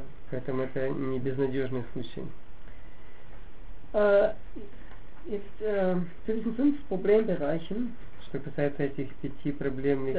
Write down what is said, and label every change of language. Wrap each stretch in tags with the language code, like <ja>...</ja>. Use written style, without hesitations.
<ru>Поэтому это не безнадежный случай.</ru> <de>Zu diesen fünf Problembereichen.</de> <ru>Что касается этих пяти проблемных</ru>